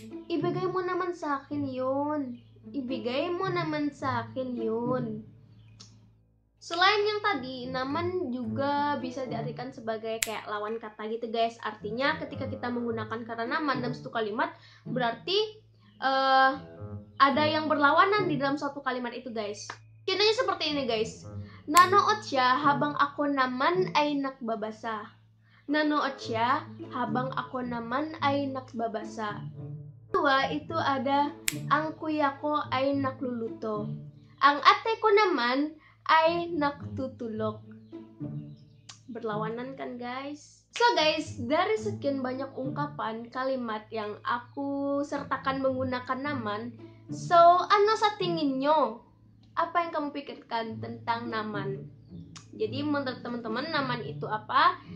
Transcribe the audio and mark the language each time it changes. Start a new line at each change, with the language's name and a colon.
Filipino: Ibigay mo naman sa akin yun. Ibigay mo naman sa akin yun.
Indonesian: Selain yang tadi, naman juga bisa diartikan sebagai kayak lawan kata gitu guys. Artinya ketika kita menggunakan kata naman dalam satu kalimat, berarti ada yang berlawanan di dalam satu kalimat itu guys. Contohnya seperti ini guys.
Filipino: Nanood siya habang ako naman ay nagbabasa. Nanood siya habang ako naman ay nagbabasa.
Indonesian: Kedua, itu ada
Filipino: ang kuya ko ay nakluluto. Ang ate ko naman ay nagtutulog.
Indonesian: Berlawanan kan guys? So guys, dari sekian banyak ungkapan kalimat yang aku sertakan menggunakan naman, so
Filipino: ano sa tingin nyo?
Indonesian: Apa yang kamu pikirkan tentang naman? Jadi menurut teman-teman naman itu apa?